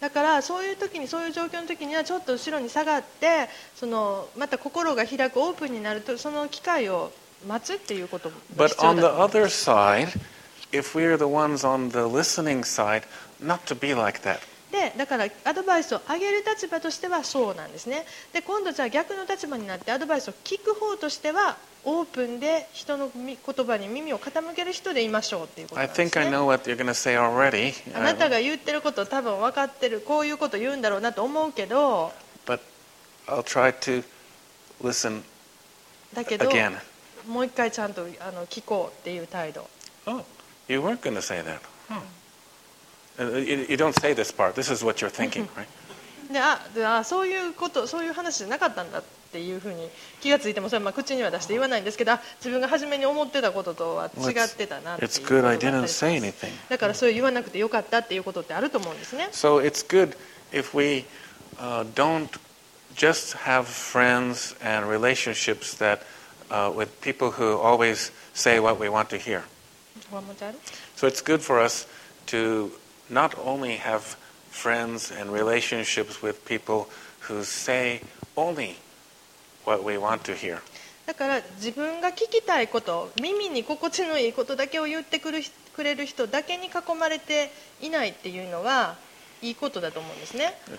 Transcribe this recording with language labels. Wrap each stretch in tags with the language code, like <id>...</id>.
<ja>だからそういう時にそういう状況の時にはちょっと後ろに下がってそのまた心が開くオープンになるとその機会を待つっていうことも必要だ。</ja> <en>But on the other side,If we are the ones on the listening side, not to be like that.</en> <ja>で、だからアドバイスをあげる立場としてはそうなんですね。で、今度じゃあ逆の立場になってアドバイスを聞く方としてはオープンで人の言葉に耳を傾ける人でいましょうっていうことなんですね。</ja> <en>I think I know what you're going to say already.</en> <ja>あなたが言ってることを多分分かってる。こういうこと言うんだろうなと思うけど。</ja> <en>But I'll try to listen again.</en> <ja>だけどもう一回ちゃんと聞こうっていう態度。</ja> <en>Oh, you weren't going to say that. You don't say this part. This is what you're thinking, right?</en> <ja>で、あ、そういうこと、そういう話じゃなかったんだっていうふうに気がついても、それはまあ口には出して言わないんですけど、自分が初めに思ってたこととは違ってたなっていう。</ja> <en>It's good I didn't say anything.</en> <ja>だからそう言わなくてよかったっていうことってあると思うんですね。</ja> <en>So it's good if we don't just have friends and relationships that with people who always say what we want to hear. One more time. So it's good for us to not only have friends and relationships with people who say only what we want to hear.</en> <ja>だから自分が聞きたいこと、耳に心地のいいことだけを言ってくれる人だけに囲まれていないっていうのはいいことだと思うんですね。</ja>